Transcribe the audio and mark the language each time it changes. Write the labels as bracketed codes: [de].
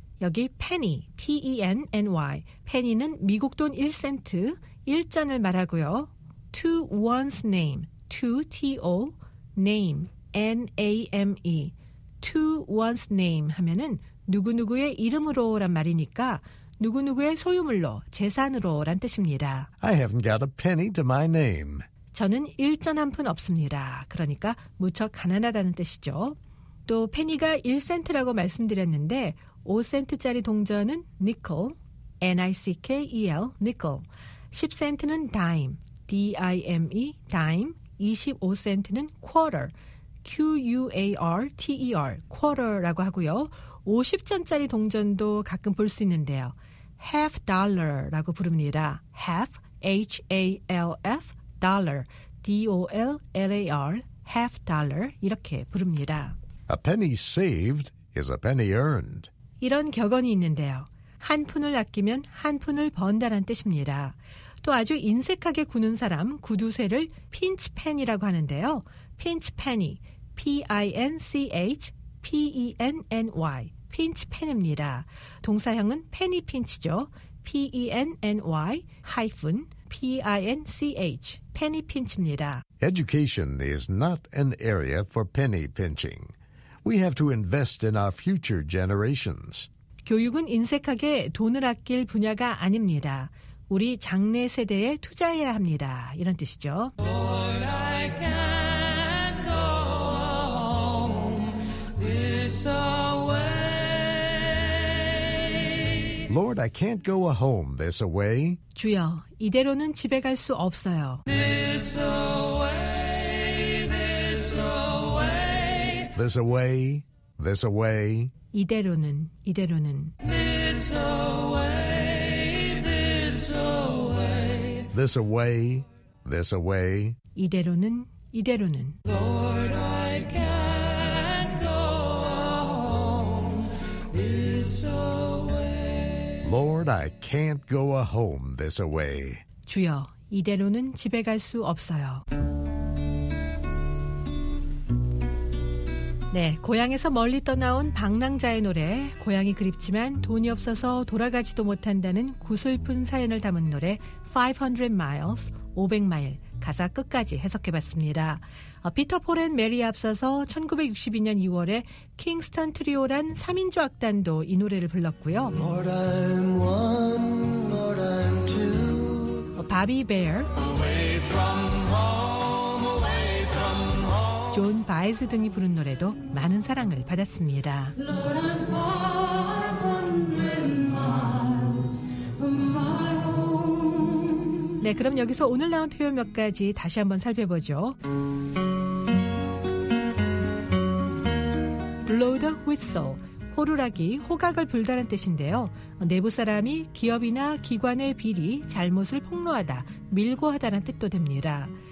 [en] 여기 penny, P-E-N-N-Y. [ko] penny는 미국 돈 1센트, 일전을 말하고요. [en] To one's name, to, T-O, name, N-A-M-E. [ko] To one's name 하면은 누구누구의 이름으로란 말이니까 누구누구의 소유물로, 재산으로란 뜻입니다. [en] I haven't got a penny to my name. [ko] 저는 일전 한 푼 없습니다. 그러니까 무척 가난하다는 뜻이죠. 또 페니가 1센트라고 말씀드렸는데 5센트짜리 동전은 nickel, N-I-C-K-E-L, nickel. 10센트는 dime, D-I-M-E, dime. 25센트는 quarter, Q-U-A-R-T-E-R, quarter라고 하고요. 50전짜리 동전도 가끔 볼 수 있는데요. half dollar라고 부릅니다. [en] half, H-A-L-F, dollar, D-O-L-L-A-R, half dollar, [ko] 이렇게 부릅니다. [en] A penny saved is a penny earned. [ko] 이런 격언이 있는데요. 한 푼을 아끼면 한 푼을 번다란 뜻입니다. 또 아주 인색하게 구는 사람, 구두쇠를 pinch penny라고 하는데요. [en] pinch penny, P-I-N-C-H, P-E-N-N-Y, pinch penny입니다. [ko] 동사형은 penny pinch죠. [en] P-E-N-N-Y, hyphen, P-I-N-C-H, penny pinch입니다. Education is not an area for penny pinching. We have to invest in our future generations. [ko] 교육은 인색하게 돈을 아낄 분야가 아닙니다. 우리 장래 세대에 투자해야 합니다. 이런 뜻이죠. [en] Lord, I can't go home this away. Lord, I can't go home this away. [ko] 주여, 이대로는 집에 갈 수 없어요. [en] This away, this away. This away, this away. [ko] 이대로는, 이대로는. [en] This away, this away. This away, this away. [ko] 이대로는, 이대로는. [en] Lord, I can't go home this away. Lord, I can't go home this away. [ko] 주여, 이대로는 집에 갈 수 없어요. 네, 고향에서 멀리 떠나온 방랑자의 노래, 고향이 그립지만 돈이 없어서 돌아가지도 못한다는 구슬픈 사연을 담은 노래 500 miles, 500마일 가사 끝까지 해석해봤습니다. 피터 폴 앤 메리에 앞서서 1962년 2월에 킹스턴 트리오란 3인조 악단도 이 노래를 불렀고요. [en] Lord, I'm one, Lord, I'm two. [ko] 바비 베어, 존 바이즈 등이 부른 노래도 많은 사랑을 받았습니다. [en] Lord, I'm far upon miles from my home. [ko] 네, 그럼 여기서 오늘 나온 표현 몇 가지 다시 한번 살펴보죠. Blow the whistle, 호루라기, 호각을 불다는 뜻인데요. 내부 사람이 기업이나 기관의 비리, 잘못을 폭로하다, 밀고하다는 뜻도 됩니다.